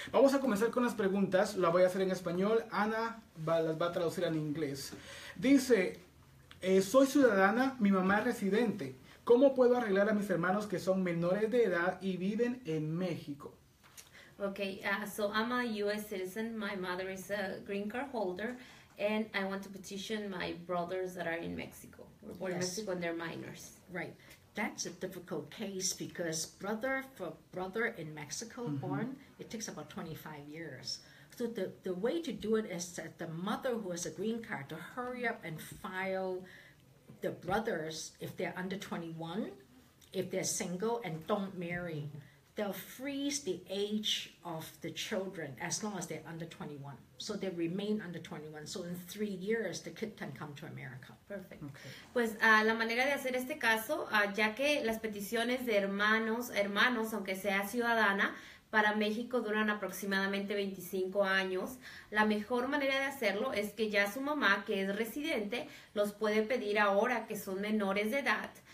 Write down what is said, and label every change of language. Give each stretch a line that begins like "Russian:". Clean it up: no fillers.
Spanish: Vamos a comenzar con las preguntas. La voy a hacer en español. Ana las va a traducir en inglés. Dice, soy ciudadana, mi mamá es residente. ¿Cómo puedo arreglar a mis hermanos que son menores de edad y viven en México?
English: Okay, so I'm a U.S. citizen. My mother is a green card holder. And I want to petition my brothers that are in Mexico. We're born in Mexico and they're minors. Right. That's a difficult case because brother for brother in Mexico mm-hmm. born, it takes about 25 years. So the way to do it is that the mother who has a green card to hurry up and file the brothers if they're under 21, if they're single and don't marry. They'll freeze the age of the children as long as they're under 21. So they remain under 21. So in 3 years, the kid can come to America. Perfect. Okay.
Spanish: Pues la manera de hacer este caso, ya que las peticiones de hermanos, aunque sea ciudadana, para México duran aproximadamente 25 años. La mejor manera de hacerlo es que ya su mamá, que es residente, los puede pedir ahora que son menores de edad.